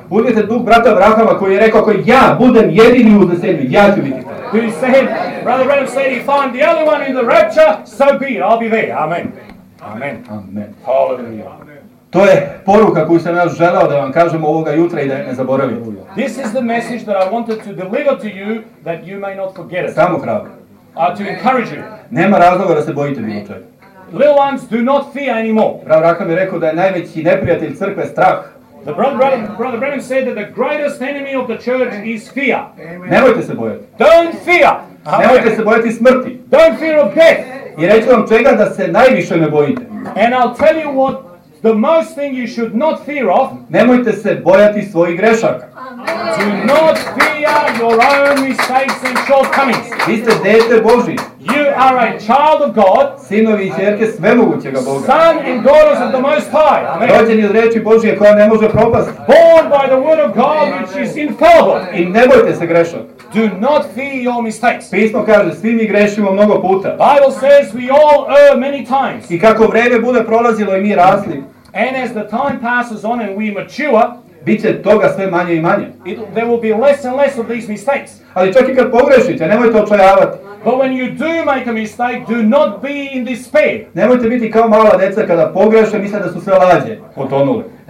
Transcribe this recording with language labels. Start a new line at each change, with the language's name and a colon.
Serbian: Budite duh brata Abrahama koji je rekao ako ja budem jedini u zemlji, ja ću biti tamo.
English: He said, Brother Branham said, if I'm the only one in the rapture, so be it, I'll be there. Amen. Amen. Amen. Hallelujah.
Serbian: To je poruka koju sam ja želao da vam kažem ovoga jutra i da ne zaboravim.
English: This is the message that I wanted to deliver to you that you may not forget it.
Serbian: Samo hrabro.
English: To encourage you.
Serbian: Nema razloga da se bojite bilo čega.
English: Little ones, do not fear anymore.
Serbian: Brat Rakam je rekao da je najveći neprijatelj crkve strah.
English: The brother Branham said that the greatest enemy of the church is fear.
Serbian: Nemojte se bojati.
English: Don't fear.
Serbian: Nemojte se bojati smrti.
English: Don't fear of death.
Serbian: I reći vam čega da se najviše ne bojite.
English: And I'll tell you what the most thing you should not fear of.
Serbian: Nemojte se bojati svojih grešaka.
English: Do not fear your own mistakes and shortcomings.
Serbian: Vi ste dete Božje.
English: You are a child of God.
Serbian: Sinovi i ćerke svemogućega Boga.
English: Son and daughters of the Most High. Amen.
Serbian: Rođeni od reči Božje koja ne može propasti.
English: Born by the word of God which is infallible.
Serbian: I nemojte se grešak.
English: Do not fear your mistakes.
Serbian: Pismo kaže, svi mi grešimo mnogo puta.
English: Bible says we all err many times.
Serbian: I kako vrijeme bude prolazilo i mi rasli.
English: And as the time passes on and we mature.
Serbian: Bit će toga sve manje i manje.
English: There will be less and less of these mistakes.
Serbian: Ali čak i kad pogrešite, nemojte očajavati.
English: But when you do make a mistake, do not be in despair.
Serbian: Nemojte biti kao mala djeca kada pogreše, misle da su sve lađe potonule.